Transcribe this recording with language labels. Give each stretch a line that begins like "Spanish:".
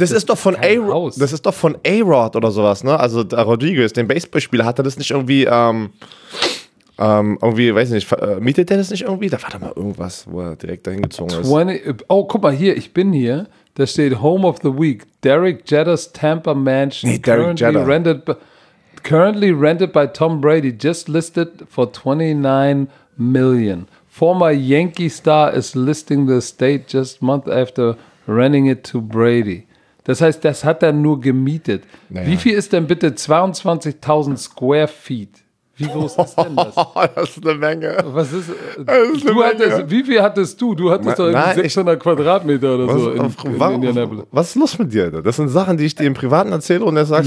German: Das ist doch von A-Rod oder sowas, ne? Also Rodriguez, den Baseballspieler, hat er das nicht irgendwie Irgendwie, weiß nicht, mietet der das nicht irgendwie? Da war doch mal irgendwas, wo er direkt dahin gezogen ist. Oh, guck mal hier, ich bin hier. Da steht Home of the Week.
English: Derek Jeter's Tampa Mansion.
German: Nee, Derek Jeter.
English: Currently rented by Tom Brady, just listed for $29 million. Former Yankee star is listing the estate just month after renting it to Brady.
German: Das heißt, das hat er nur gemietet. Naja. Wie viel ist denn bitte 22.000 Square Feet? Wie groß ist denn das? Das ist eine Menge. Was ist, wie viel hattest du? Du hattest doch 600 Quadratmeter oder so in Indianapolis. Was ist los mit dir, Alter? Das sind Sachen, die ich dir im Privaten erzähle und er sagt,